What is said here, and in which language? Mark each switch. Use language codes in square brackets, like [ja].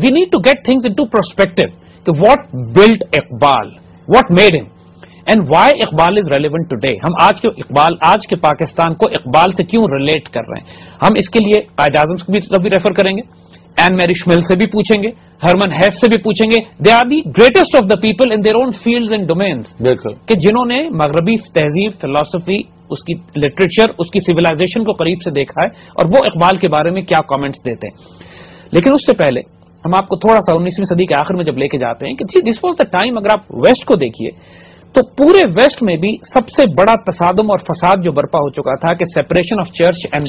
[en] We need to get things into perspective, کہ what built Iqbal, what made him, and why Iqbal is relevant today. [ur] ہم آج کے اقبال, آج کے پاکستان کو اقبال سے کیوں ریلیٹ کر رہے ہیں؟ ہم اس کے لیے قائد اعظم کو بھی ریفر کریں گے, این میری شمل سے بھی پوچھیں گے, ہرمن ہیس سے بھی پوچھیں گے. [en] They are the greatest of the people in their own fields and domains. [ur] بالکل, کہ جنہوں نے مغربی تہذیب, فلاسفی, اس کی لٹریچر, اس کی سولاشن کو قریب سے دیکھا ہے, اور وہ اقبال کے بارے میں کیا کامنٹس دیتے ہیں. لیکن اس سے پہلے ہم آپ کو تھوڑا سا 19th صدی کے آخر میں جب لے کے جاتے ہیں, کہ [en] this was the time, [ur] اگر آپ ویسٹ کو دیکھیے تو پورے ویسٹ میں بھی سب سے بڑا تصادم اور فساد جو برپا ہو چکا تھا کہ سیپریشن آف چرچ اینڈ